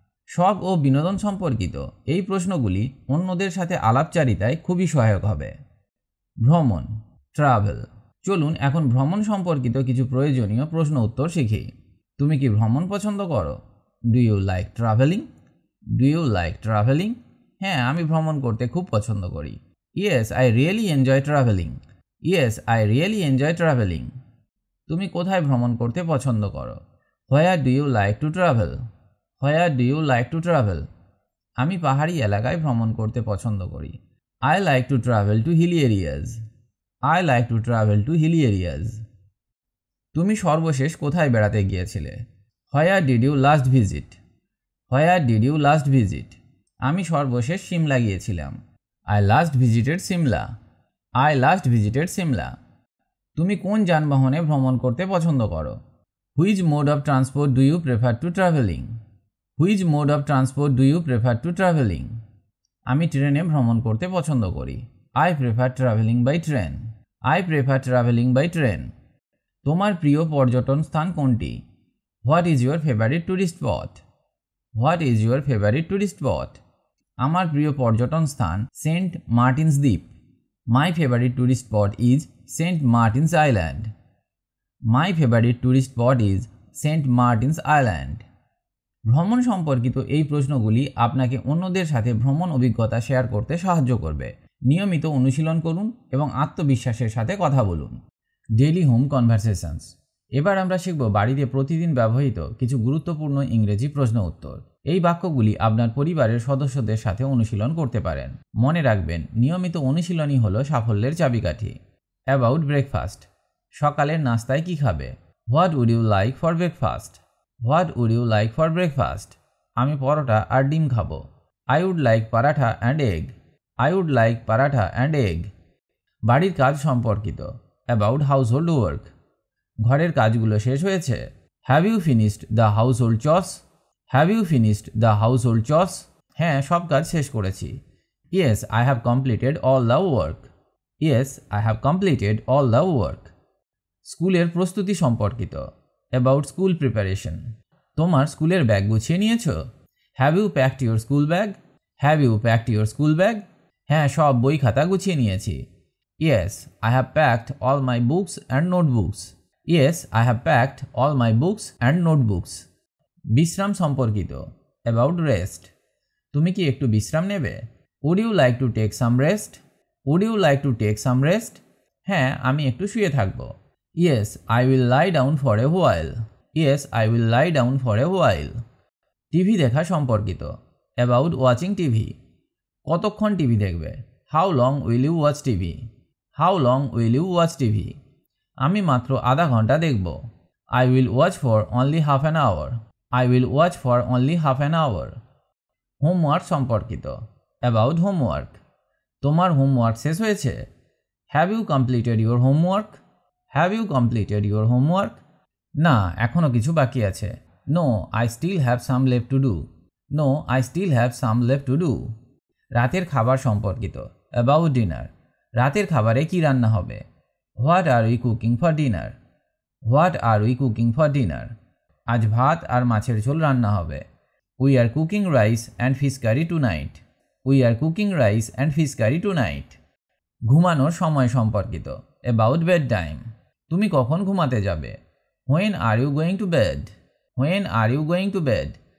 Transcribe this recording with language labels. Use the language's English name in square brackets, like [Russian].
[Bangla] শখ ও বিনোদন সম্পর্কিত এই প্রশ্নগুলি অন্যদের সাথে আলাপচারিতায় খুবই সহায়ক হবে। ভ্রমণ, ট্রাভেল। চলুন এখন ভ্রমণ সম্পর্কিত কিছু প্রয়োজনীয় প্রশ্ন উত্তর শিখি। তুমি কি ভ্রমণ পছন্দ করো? [English] Do you like travelling? [Bangla] Do you like travelling? হ্যাঁ, আমি ভ্রমণ করতে খুব পছন্দ করি। [English] Yes, I really enjoy traveling. Yes, I really enjoy traveling. [Bangla] তুমি কোথায় ভ্রমণ করতে পছন্দ করো? [English] Where do you like to travel? Where do you like to travel? [Bangla] আমি পাহাড়ি এলাকায় ভ্রমণ করতে পছন্দ করি। [English] I like to travel to hilly areas. I like to travel to hilly areas. [Bangla] তুমি সর্বশেষ কোথায় বেড়াতে গিয়েছিলে? [English] Where did you last visit? Where did you last visit? [Bangla] আমি সর্বশেষ সিমলা গিয়েছিলাম। [English] I last visited Simla. I last visited Simla. [Bangla] তুমি কোন যানবাহনে ভ্রমণ করতে পছন্দ করো? [English] Which mode of transport do you prefer to traveling? Which mode of transport do you prefer to traveling? [Bangla] আমি ট্রেনে ভ্রমণ করতে পছন্দ করি। [English] I prefer traveling by train. I prefer traveling by train. [Bangla] তোমার প্রিয় পর্যটন স্থান কোনটি? [English] What is your favorite tourist spot? What is your favorite tourist spot? [Bangla] আমার প্রিয় পর্যটন স্থান সেন্ট মার্টিনস দ্বীপ। [English] My favorite tourist spot is Saint Martin's Island. My favorite tourist spot is Saint Martin's Island. [Bangla] ভ্রমণ সম্পর্কিত এই প্রশ্নগুলি আপনাকে অন্যদের সাথে ভ্রমণ অভিজ্ঞতা শেয়ার করতে সাহায্য করবে। নিয়মিত অনুশীলন করুন এবং আত্মবিশ্বাসের সাথে কথা বলুন। [English] Daily home conversations. [Bangla] এবার আমরা শিখব বাড়িতে প্রতিদিন ব্যবহৃত কিছু গুরুত্বপূর্ণ ইংরেজি প্রশ্ন উত্তর। এই বাক্যগুলি আপনার পরিবারের সদস্যদের সাথে অনুশীলন করতে পারেন। মনে রাখবেন, নিয়মিত অনুশীলনই হলো সাফল্যের চাবিকাঠি। [English] about breakfast, [Bangla] সকালের নাস্তায় কী খাবে? [English] What would you like for breakfast? What would you like for breakfast? [Bangla] আমি পরোটা আর ডিম খাবো। [English] I would like paratha and egg. I would like paratha and egg. [Bangla] বাড়ির কাজ সম্পর্কিত, [English] about household work, [Bangla] ঘরের কাজগুলো শেষ হয়েছে? [English] Have you finished the house hold চস? Have you finished the household chores? [Bangla] হ্যাঁ, সব কাজ শেষ করেছি। [English] Yes, I have completed all the work. Yes, I have completed all the work. [Bangla] স্কুলের প্রস্তুতি সম্পর্কিত, [English] About school preparation. [Bangla] তোমার স্কুলের ব্যাগ গুছিয়ে নিয়েছো? [English] Have you packed your school bag? Have you packed your school bag? [Bangla] হ্যাঁ, সব বই খাতা গুছিয়ে নিয়েছি। [English] Yes, I have packed all my books and notebooks. Yes, I have packed all my books and notebooks. [Bangla] বিশ্রাম সম্পর্কিত, [English] about rest, [Bangla] তুমি কি একটু বিশ্রাম নেবে? [English] Would you like to take some rest? Would you like to take some rest? [Bangla] হ্যাঁ, আমি একটু শুয়ে থাকবো। [English] Yes, I will lie down for a while. Yes, I will lie down for a while. [Bangla] TV দেখা সম্পর্কিত, [English] about watching TV, [Bangla] কতক্ষণ TV দেখবে? [English] How long will you watch TV? How long will you watch TV? [Bangla] আমি মাত্র আধা ঘন্টা দেখবো। [English] I will watch for only half an hour. I will watch for only half an hour. [Bangla] Homework samparkito. [English] About homework. [Bangla] Tomar homework shesh hoyeche? [English] Have you completed your homework? Have you completed your homework? [Bangla] Na, ekhono kichu baki ache. [English] No, I still have some left to do. No, I still have some left to do. [Bangla] Rater khabar samparkito. [English] About dinner. [Bangla] Rater khabare ki ranna hobe? [English] What are we cooking for dinner? What are we cooking for dinner? [Bangla] আজ ভাত আর মাছের ঝোল রান্না হবে। [English] We are cooking rice and fish curry tonight. We are cooking rice and fish curry tonight. [Bangla] ঘুমানোর সময় সম্পর্কিত, [English] about bedtime, [Bangla] তুমি কখন ঘুমাতে যাবে? [English] When are you going to bed? When are you going to bed?